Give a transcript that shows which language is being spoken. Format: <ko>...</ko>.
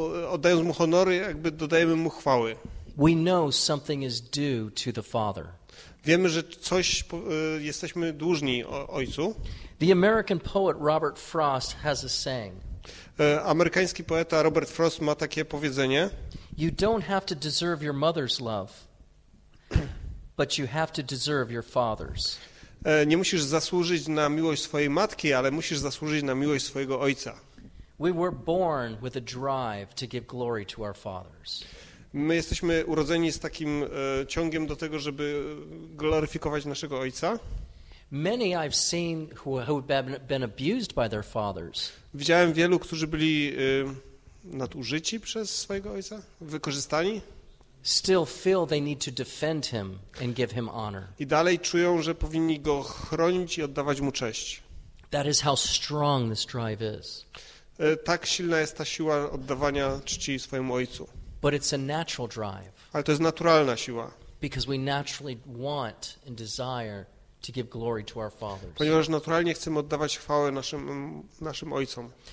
<pl>Oddając mu honory, jakby dodajemy mu chwały.</pl> <en>We know something is due to the Father.</en> <pl>Wiemy, że coś jesteśmy dłużni Ojcu.</pl> <en>The American poet Robert Frost has a saying.</en> <pl>Amerykański poeta Robert Frost ma takie powiedzenie.</pl> <en>You don't have to deserve your mother's love, but you have to deserve your father's.</en> <pl>Nie musisz zasłużyć na miłość swojej matki, ale musisz zasłużyć na miłość swojego ojca.</pl> <en>We were born with a drive to give glory to our fathers.</en> <pl>My jesteśmy urodzeni z takim ciągiem do tego, żeby gloryfikować naszego ojca.</pl> <en>Many I've seen who have been abused by their fathers.</en> <pl>Widziałem wielu, którzy byli nadużyci przez swojego ojca, wykorzystani.</pl> <en>Still feel they need to defend him and give him honor.</en> <pl>I dalej czują, że powinni go chronić i oddawać mu cześć.</pl> <en>That is how strong this drive is.</en> <pl>Tak silna jest ta siła oddawania czci swojemu ojcu.</pl> <en>But it's a natural drive.</en> <pl>Ale to jest naturalna siła.</pl> <en>Because we naturally want and desire to give glory to our fathers.</en> <pl>Ponieważ naturalnie chcemy oddawać chwałę naszym ojcom.</pl>